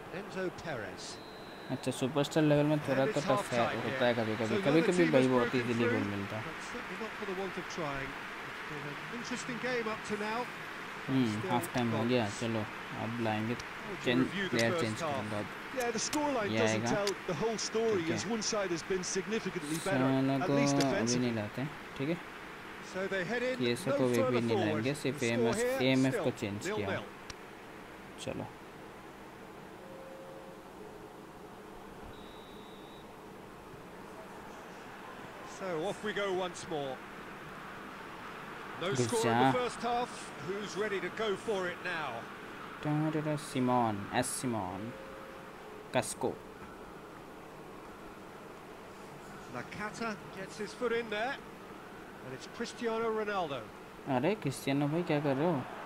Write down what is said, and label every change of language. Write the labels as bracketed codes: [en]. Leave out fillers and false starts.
[en] Enzo Perez. [hi] अच्छा superstar level में थोड़ा तो टफ है, होता है कभी कभी, कभी कभी भाई बहुत ही इजीली गोल मिलता है. हाफ टाइम हो गया, चलो अब लाएंगे चेंज, प्लेयर चेंज करेंगे अब. [en] Yeah, the scoreline doesn't tell the whole story as one side has been significantly better, at least defensively. [hi] ठीक है, [en] so they head in, [hi] ये सबको वे भी नहीं लाएंगे, सिर्फ AMF को चेंज किया. चलो [en] so off we go once more. No score in the first half. Who's ready to go for it now? Simon Casco. Nakata gets his foot in there, and it's Cristiano Ronaldo. [hi] अरे Cristiano भाई क्या कर रहे हो?